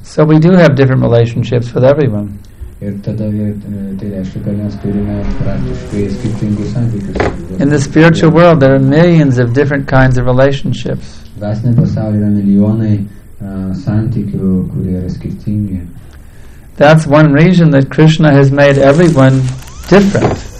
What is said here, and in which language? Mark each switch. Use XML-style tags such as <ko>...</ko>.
<en>So we do have different relationships with everyone.</en> <lt>Ir tada tai reiškia, kad mes turime praktiškai skirtingus santykius.</lt> <en>In the spiritual world there are millions of different kinds of relationships.</en> <lt>Dvasiniame pasaulyje yra milijonai santykių, kurie yra skirtingi.</lt> <en>That's one reason that Krishna has made everyone different.</en>